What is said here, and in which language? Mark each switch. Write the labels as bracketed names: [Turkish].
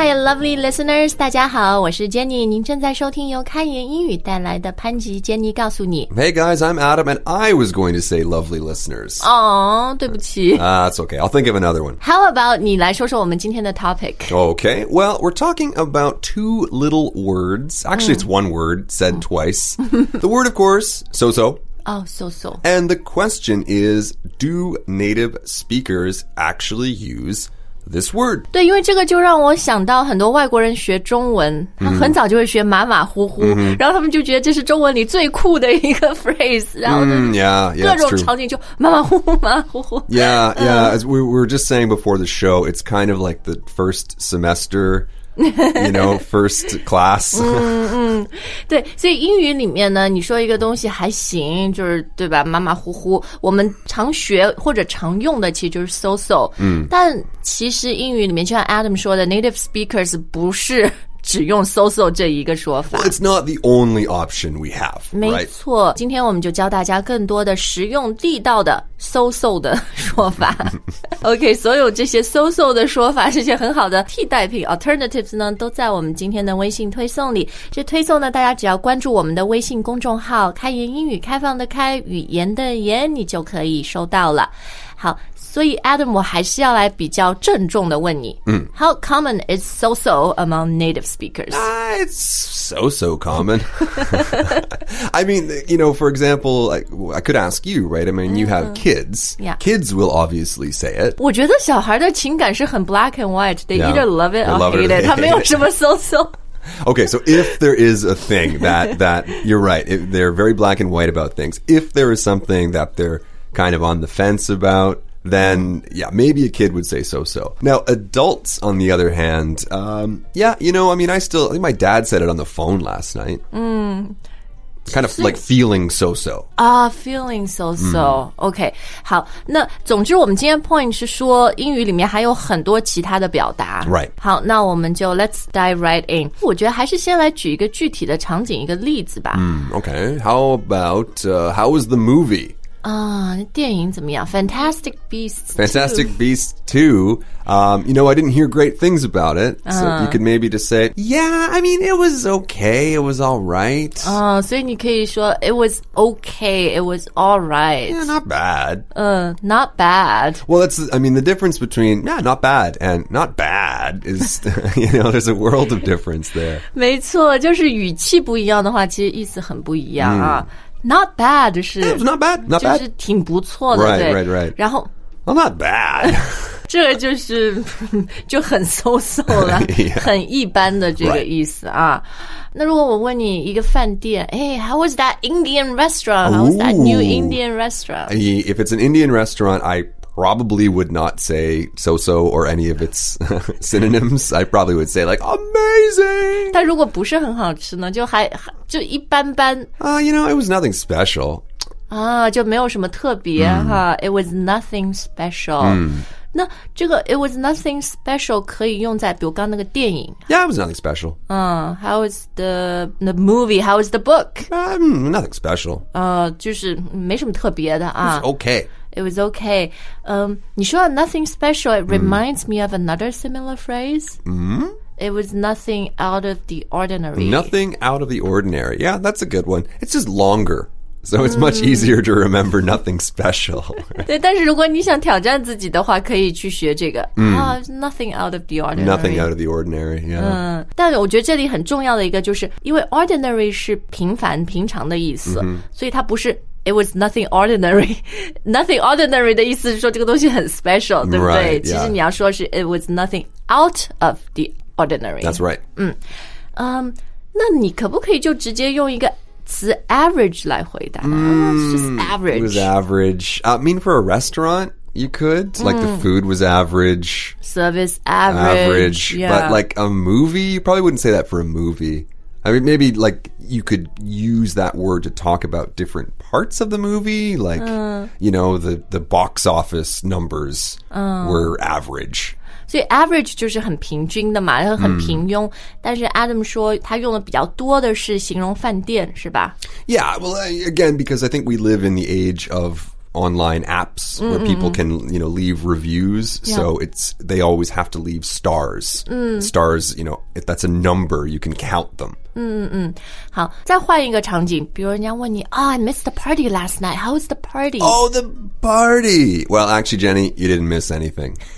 [English] lovely listeners, [Chinese] 大家好，我是 Jenny， 您正在收听由开言英语带来的潘吉 Jenny 告诉你。 [English] Hey guys, I'm Adam, and I was going to say lovely listeners. [Chinese] 哦，对不起。 [English] That's okay, I'll think of another one. How about [Chinese] 你来说说我们今天的 topic? [English] Okay, well, we're talking about two little words. Actually, it's one word said twice. The word, of course, so-so. So-so. And the question is, do native speakers actually use this word? [Chinese] 对，因为这个就让我想到很多外国人学中文，他很早就会学马马虎虎，然后他们就觉得这是中文里最酷的一个 phrase, 然后各种场景就马马虎虎马虎虎。 [English] Yeah, yeah, as we were just saying before the show, it's kind of like the first semester... you know, first class. [Chinese] 对，所以英语里面呢，你说一个东西还行，就是对吧，马马虎虎。我们常学或者常用的其实就是 so-so。但其实英语里面，就像 Adam 说的 ， [English] native speakers [Chinese] 不是只用 so-so 这一个说法。 [English] Well, it's not the only option we have. [Chinese] 没错， [English] right? [Chinese] 今天我们就教大家更多的实用地道的 so-so 的说法。 OK, 所有这些 so-so 的说法，这些很好的替代品 alternatives 呢，都在我们今天的微信推送里。这推送呢，大家只要关注我们的微信公众号“开言英语”，开放的开，语言的言，你就可以收到了。好，所以 Adam, 我还是要来比较郑重的问你。 [English] How common is so-so among native speakers? It's so-so common. I mean, you know, for example, I could ask you, right? I mean, you have kids. Yeah. Kids will obviously say it. [Chinese] 我觉得小孩的情感是很 [English] black and white. They either love it or hate it. [Chinese] 他没有什么 so-so. [English] Okay, so if there is a thing that you're right, they're very black and white about things. If there is something that they're... kind of on the fence about, then, yeah, maybe a kid would say so-so. Now, adults, on the other hand, I think my dad said it on the phone last night. Kind of like feeling so-so. Feeling so-so. [Chinese] Okay, 好，那总之我们今天 point 是说英语里面还有很多其他的表达。 [English] Right. [Chinese] 好，那我们就 [English] let's dive right in. [Chinese] 我觉得还是先来举一个具体的场景，一个例子吧。 [English] Okay, how about, how was the movie? [Chinese] 电影怎么样 ?Fantastic Beasts 2. [English] Fantastic Beasts 2. You know, I didn't hear great things about it. So you could maybe just say, yeah, I mean, it was okay. It was all right. [Chinese] 所以你可以说 [English] it was okay. It was all right. Yeah, not bad. Not bad. Well, the difference between, yeah, not bad and not bad is, you know, there's a world of difference there. [Chinese] 没错，就是语气不一样的话，其实意思很不一样啊。 [English] Not bad [Chinese] 是 [English] not bad, not bad. [Chinese] 就是挺不错的 [English] right, [Chinese] 对 [English] right, right. [Chinese] 然后 [English] well, not bad [Chinese] 这个就是就很 so-so 了 [English] yeah. [Chinese] 很一般的这个意思啊、 [English] right. [Chinese] 那如果我问你一个饭店 [English] Hey, how was that Indian restaurant? How was that new Indian restaurant? If it's an Indian restaurant, I probably would not say so-so or any of its synonyms. I probably would say like amazing [Chinese] 但如果不是很好吃呢就还就一般般 [English] You know, it was nothing special. [Chinese] 就没有什么特别哈 [English] It was nothing special. [Chinese] 那这个 [English] it was nothing special [Chinese] 可以用在比如刚那个电影 [English] Yeah, it was nothing special. How was the movie? How was the book? Nothing special. [Chinese] 就是没什么特别的啊 [English] It was okay. It was okay. [Chinese] 你说 [English] nothing special, it reminds me of another similar phrase. It was nothing out of the ordinary. Nothing out of the ordinary. Yeah, that's a good one. It's just longer. So it's much easier to remember nothing special. [Chinese] 对，但是如果你想挑战自己的话，可以去学这个。 [English] Nothing out of the ordinary. Nothing out of the ordinary, yeah. [Chinese] 但我觉得这里很重要的一个就是因为 ordinary 是平凡平常的意思，所以它不是 [English] It was nothing ordinary. Nothing ordinary [Chinese] 的意思是说这个东西很 special, 对不对 [English] right,、 [Chinese] 其实你要说是 [English] it was nothing out of the ordinary. That's right. [Chinese] 那你可不可以就直接用一个词 average 来回答 [English] just average. It was average. I mean, for a restaurant, you could. Like the food was average. Service average. Average.、 Yeah. But like a movie, you probably wouldn't say that for a movie. I mean, maybe, like, you could use that word to talk about different parts of the movie. Like, you know, the box office numbers were average. [Chinese] So average 就是很平均的嘛，很平庸。但是 Adam 说他用的比较多的是形容饭店，是吧？ [English] Yeah, well, again, because I think we live in the age of online apps where mm-hmm. people can, you know, leave reviews. Yeah. So it's, they always have to leave stars. Mm. Stars, you know, if that's a number, you can count them. [Chinese] 好，再换一个场景，比如人家问你 [English] I missed the party last night. How was the party? Oh, the party. Well, actually, Jenny, you didn't miss anything.